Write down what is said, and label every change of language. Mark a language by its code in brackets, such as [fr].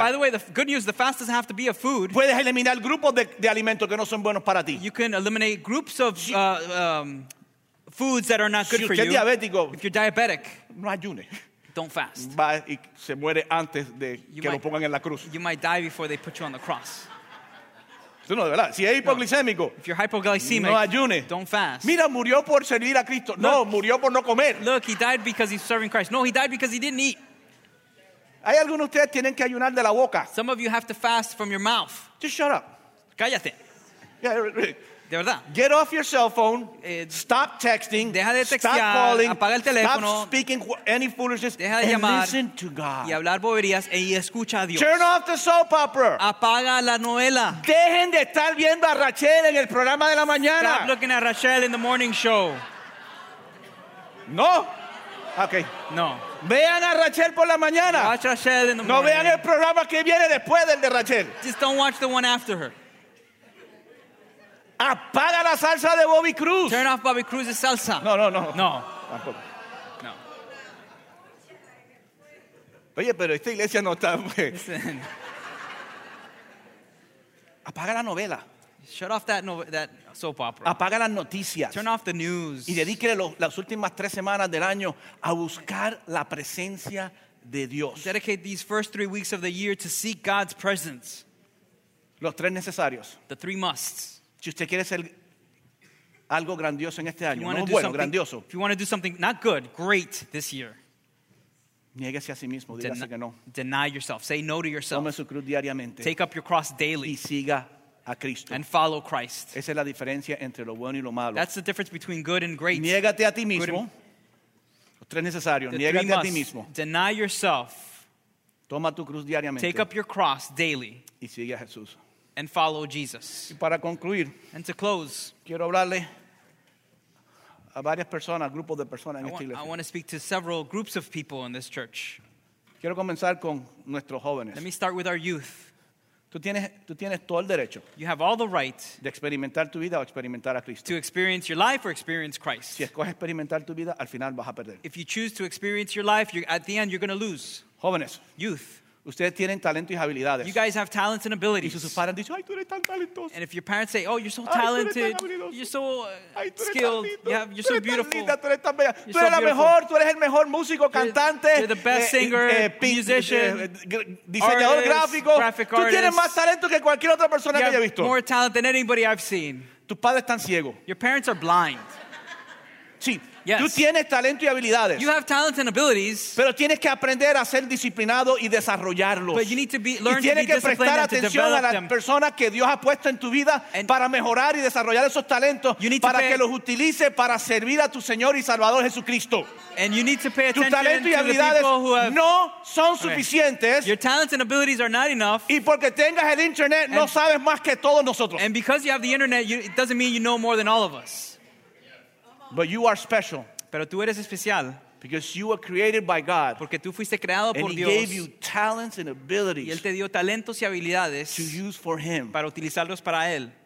[en] By the way, the good news, the fast doesn't have to be a food. [es] Puedes eliminar grupos de alimentos que no son buenos para ti. [en] You can eliminate groups of foods that are not good [es] si [en] for you. [es] Si usted es diabético, [en] if you're diabetic, [es] no ayune. [en] Don't fast. [es] Va y se muere antes de [en] you que might, [es] lo pongan en la cruz. [en] You might die before they put you on the cross. [es] Tú no, de verdad. Si es hipoglicémico, [en] if you're hypoglycemic, [es] no ayune. [en] Don't fast. [es] Mira, murió por servir a Cristo. [en] Look, no, [es] murió por no comer. [en] Look, he died because he's serving Christ. No, he died because he didn't eat. [es] Hay algunos de ustedes tienen que ayunar de la boca. [en] Some of you have to fast from your mouth. Just shut up. [es] Cállate. [en] Yeah, really. [es] De verdad. [en] Get off your cell phone. Stop texting. [es] Deja de textear. [en] Stop calling. [es] Apaga el teléfono. [en] Stop speaking any foolishness. [es] Deja de llamar. [en] And listen to God. [es] Y hablar boberías y escucha a Dios. [en] Turn off the soap opera. [es] Apaga la novela. Dejen de estar viendo a Rachel en el programa de la mañana. [en] Stop looking at Rachel in the morning show. No. Okay. [es] No. Vean a Rachel por la mañana. [en] Watch Rachel in the morning. [es] No vean el programa que viene después del de Rachel. [en] Just don't watch the one after her. [es] Apaga la salsa de Bobby Cruz. [en] Turn off Bobby Cruz's salsa. [es] No, no, no. [en] No. [es] Tampoco. [en] No. [es] Oye, pero esta iglesia no está. Apaga la novela. [en] Shut off that soap opera. [es] Apaga las noticias. [en] Turn off the news. [es] Y dedíquele las últimas tres semanas del año a buscar la presencia de Dios. [en] Dedicate these first 3 weeks of the year to seek God's presence. [es] Los tres necesarios. [en] The three musts. [es] Si usted quiere ser algo grandioso en este año, no bueno, grandioso. [en] If you want to do something not good, great this year. [es] Niéguese a sí mismo, dígase que no. [en] Deny yourself, say no to yourself. [es] Tome su cruz diariamente. [en] Take up your cross daily. [es] Y siga a Cristo. [en] And follow Christ. [es] Esa es la diferencia entre lo bueno y lo malo. [en] That's the difference between good and great. [es] Niégate a ti mismo. Los tres necesarios. Niégate a ti mismo. [en] Deny yourself. [es] Toma tu cruz diariamente. [en] Take up your cross daily. [es] Y sigue a Jesús. [en] And follow Jesus. [es] Y para concluir, [en] and to close, [es] quiero hablarle a varias personas, grupos de personas en esta iglesia. [en] I want to speak to several groups of people in this church. [es] Quiero comenzar con nuestros jóvenes. [en] Let me start with our youth. [es] Tú tienes todo el derecho. [en] You have all the right [es] de experimentar tu vida o experimentar a Cristo. [en] To experience your life or experience Christ. [es] Si escoges experimentar tu vida, al final vas a perder. [en] If you choose to experience your life, at the end you're going to lose. [es] Jóvenes, [en] youth. [es] Ustedes tienen talento y habilidades. [en] You guys have talents and abilities. [es] Y sus padres dicen, ay, tú eres tan talentoso. [en] And if your parents say, oh, you're so talented, you're so skilled, you're so beautiful. [es] Linda, tú eres tan bella. Tú eres la mejor, tú eres el mejor músico, cantante. [en] You're the best singer, musician, [es] diseñador gráfico. [en] Graphic artist. [es] Tú tienes más talento que cualquier otra persona que haya visto. [en] You have more talent than anybody I've seen. [es] Tus padres están ciegos. [en] Your parents are blind. [es] Sí. [en] Yes. [es] Tú tienes talento y habilidades. [en] You have talents and abilities. [es] Pero tienes que aprender a ser disciplinado y desarrollarlos. [en] But you need to be, learn [es] y tienes [en] to be [es] que prestar atención a las personas que Dios ha puesto en tu vida [en] and [es] para mejorar y desarrollar esos talentos para que los utilice para servir a tu Señor y Salvador Jesucristo. [en] And you need to pay attention [es] tu talento y habilidades [en] to the people who have, [es] no son suficientes. [en] Your talents and abilities are not enough. [es] Y porque tengas el internet no sabes más que todos nosotros. [en] And because you have the internet, it doesn't mean you know more than all of us. But you are special. [es] Pero tú eres especial. [en] Because you were created by God. [es] Porque tú fuiste creado por Dios. [en] And He gave you talents and abilities. [es] Y él te dio talentos y habilidades. [en] To use for Him. [es] Para utilizarlos para él.